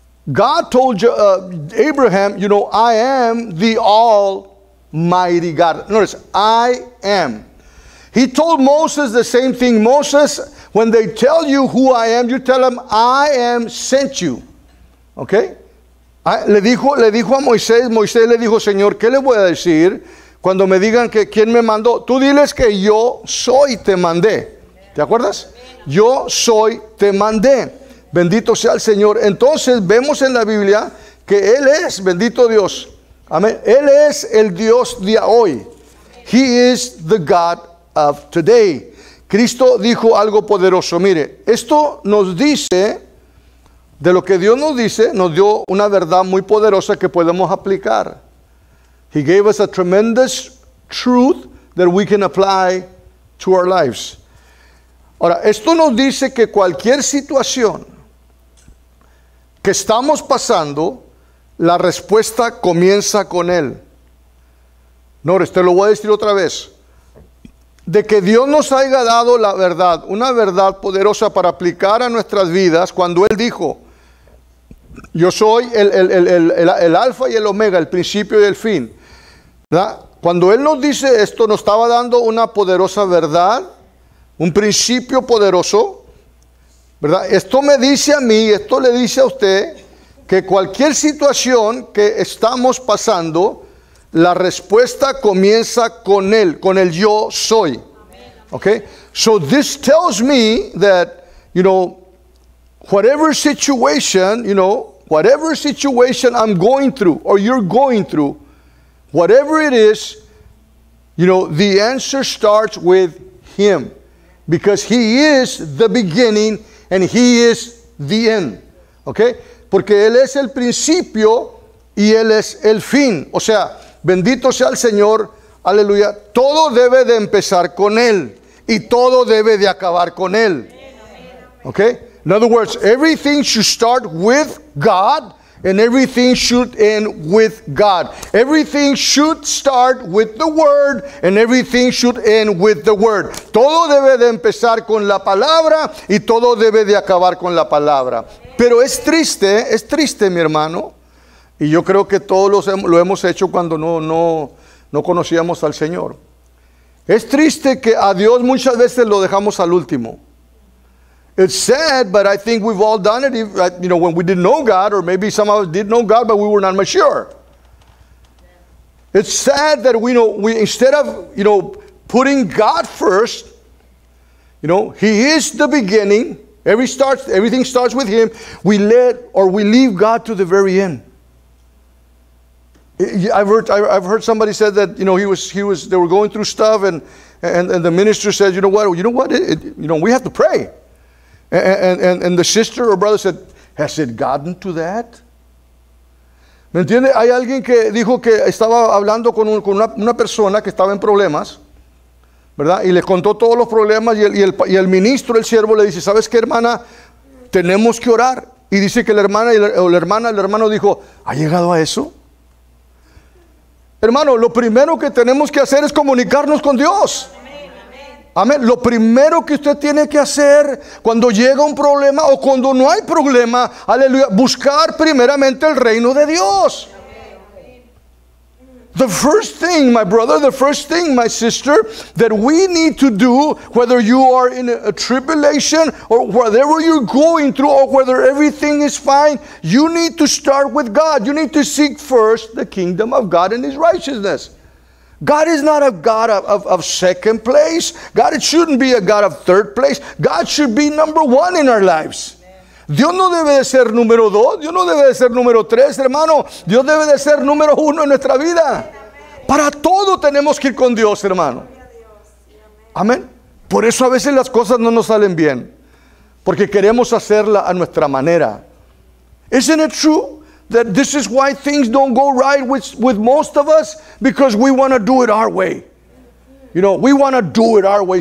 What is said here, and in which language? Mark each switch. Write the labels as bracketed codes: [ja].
[en] God told you, Abraham, you know, I am the Almighty God. Notice, I am. He told Moses the same thing. Moses, when they tell you who I am, you tell them, I am sent you. [es] Okay? Le dijo a Moisés. Moisés le dijo, Señor, ¿qué le voy a decir cuando me digan que quién me mandó? Tú diles que yo soy, te mandé. ¿Te acuerdas? Yo soy, te mandé. Bendito sea el Señor. Entonces vemos en la Biblia que Él es, bendito Dios. Amén. Él es el Dios de hoy. [en] He is the God of today. [es] Cristo dijo algo poderoso. Mire, esto nos dice, de lo que Dios nos dice, nos dio una verdad muy poderosa que podemos aplicar. [en] He gave us a tremendous truth that we can apply to our lives. [es] Ahora, esto nos dice que cualquier situación que estamos pasando, la respuesta comienza con Él. No, te lo voy a decir otra vez. De que Dios nos haya dado la verdad, una verdad poderosa para aplicar a nuestras vidas, cuando Él dijo, yo soy el alfa y el omega, el principio y el fin. ¿Verdad? Cuando Él nos dice esto, nos estaba dando una poderosa verdad, un principio poderoso, ¿verdad? Esto me dice a mí, esto le dice a usted, que cualquier situación que estamos pasando, la respuesta comienza con Él, con el yo soy. [en] Okay? So this tells me that, you know, whatever situation I'm going through or you're going through, whatever it is, you know, the answer starts with Him. Because He is the beginning and He is the end. Okay? [es] Porque Él es el principio y Él es el fin. O sea, bendito sea el Señor, aleluya. Todo debe de empezar con Él y todo debe de acabar con Él. [en] Okay? In other words, everything should start with God and everything should end with God. Everything should start with the Word and everything should end with the Word. [es] Todo debe de empezar con la palabra y todo debe de acabar con la palabra. Pero es triste, mi hermano. Y yo creo que todos lo hemos hecho cuando no conocíamos al Señor. Es triste que a Dios muchas veces lo dejamos al último. [en] It's sad, but I think we've all done it, you know, when we didn't know God, or maybe some of us did know God, but we were not mature. It's sad that we instead of, you know, putting God first, you know, He is the beginning. Everything starts with Him. We leave God to the very end. I've heard somebody said that, you know, they were going through stuff and the minister said, you know what? We have to pray. And the sister or brother said, has it gotten to that? [es] ¿Me entiende? Hay alguien que dijo que estaba hablando con una persona que estaba en problemas, ¿verdad? Y le contó todos los problemas y el ministro, el siervo le dice, ¿sabes qué, hermana? Tenemos que orar. Y dice que el hermano dijo, ¿ha llegado a eso? Hermano, lo primero que tenemos que hacer es comunicarnos con Dios. Amén. Lo primero que usted tiene que hacer cuando llega un problema o cuando no hay problema, aleluya, buscar primeramente el reino de Dios. [en] The first thing, my brother, the first thing, my sister, that we need to do, whether you are in a tribulation or whatever you're going through or whether everything is fine, you need to start with God. You need to seek first the kingdom of God and His righteousness. God is not a God of second place. God, it shouldn't be a God of third place. God should be number one in our lives. [es] Dios no debe de ser número dos, Dios no debe de ser número tres, hermano. Dios debe de ser número uno en nuestra vida. Para todo tenemos que ir con Dios, hermano. Amén. Por eso a veces las cosas no nos salen bien, porque queremos hacerla a nuestra manera. [en] Isn't it true that this is why things don't go right with most of us? Because we want to do it our way. You know, we want to do it our way.